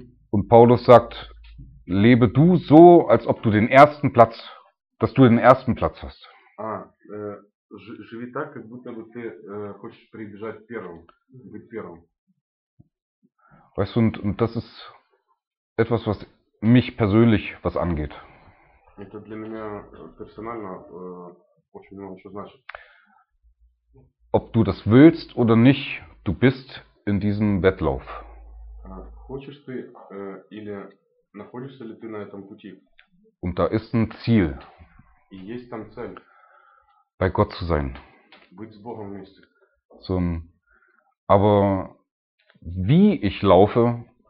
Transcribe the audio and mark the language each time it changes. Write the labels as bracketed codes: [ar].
[de] Und Paulus sagt, lebe du so, als ob du den ersten Platz, dass du den ersten Platz hast. [ru] Живи так, как будто бы ты хочешь прибежать первым, быть первым. [de] Weißt du, und das ist Etwas, was mich persönlich was angeht. [ru] Это для меня персонально очень много что значит. [de] Ob du das willst oder nicht, du bist in diesem Wettlauf. [ru] Хочешь ты или находишься ли ты на этом пути? [de] Und da ist ein Ziel. [ru] И есть там цель. [de] Bei Gott zu sein. [ru] Быть с Богом вместе. [de] So, aber wie ich laufe,